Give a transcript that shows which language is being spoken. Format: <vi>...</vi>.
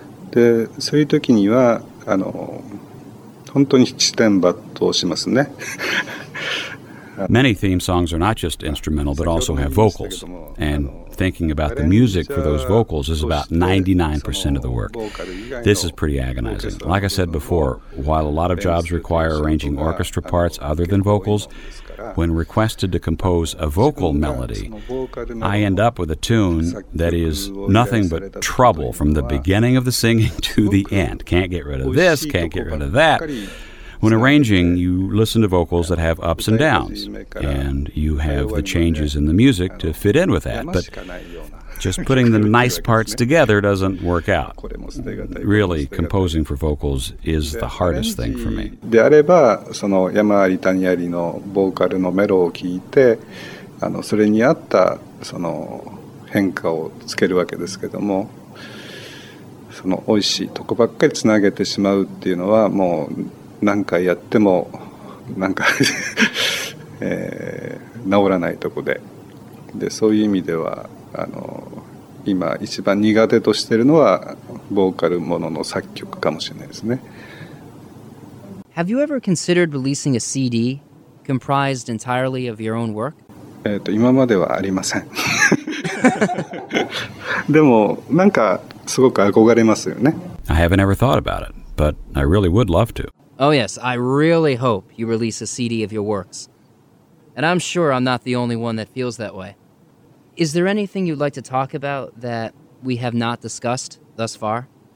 <ja>でそういう時にはあの本当に七点抜刀しますね。</ja> <en>Many theme songs are not just instrumental, but also have vocals. And thinking about the music for those vocals is about 99% of the work. This is pretty agonizing. Like I said before, while a lot of jobs require arranging orchestra parts other than vocals, when requested to compose a vocal melody, I end up with a tune that is nothing but trouble from the beginning of the singing to the end. Can't get rid of this, can't get rid of that. When arranging, you listen to vocals that have ups and downs, and you have the changes in the music to fit in with that, but just putting the nice parts together doesn't work out. Really, composing for vocals is the hardest thing for me.</en> <ja>であれば、その山あり谷ありのボーカルのメロを聞いて、あのそれに合ったその変化をつけるわけですけども、その美味しいとこばっかりつなげてしまうっていうのはもう何回やっても何か治らないとこで、でそういう意味ではあの今一番苦手としているのはボーカルものの作曲かもしれないですね。</ja> <en>Have you ever considered releasing a CD comprised entirely of your own work?</en> <ja>今まではありません。でも何かすごく憧れますよね。</ja> <en>I haven't ever thought about it, but I really would love to. Oh yes, I really hope you release a CD of your works. And I'm sure I'm not the only one that feels that way. Is there anything you'd like to talk about that we have not discussed thus far?</en>